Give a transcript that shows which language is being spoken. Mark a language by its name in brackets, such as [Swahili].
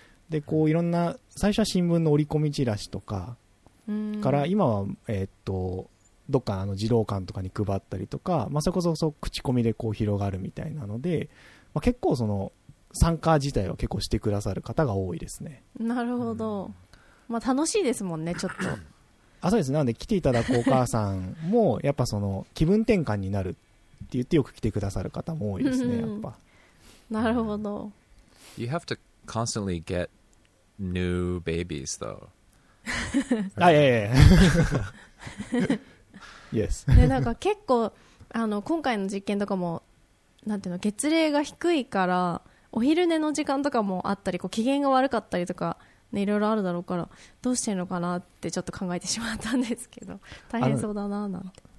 [Japanese] でこういろんな最初は新聞の折り込みチラシとかから今はどっかあの児童館とかに配ったりとか、まあそれこそそう口コミでこう広がるみたいなので、まあ結構その参加自体は結構してくださる方が多いですね。なるほど、まあ楽しいですもんねちょっとあ、そうですね。なんで来ていただくお母さんもやっぱその気分転換になるって言ってよく来てくださる方も多いですね。やっぱ。なるほど。 [English] You have to constantly get new babies, though. [Japanese] あ、いやいやいや。 [English] Yes. [Japanese] でなんか結構あの今回の実験とかもなんていうの、月齢が低いからお昼寝の時間とかもあったり、こう機嫌が悪かったりとか。ね、いろいろあるだろうからどうしてるのかなってちょっと考えてしまったんですけど、大変そうだななんて。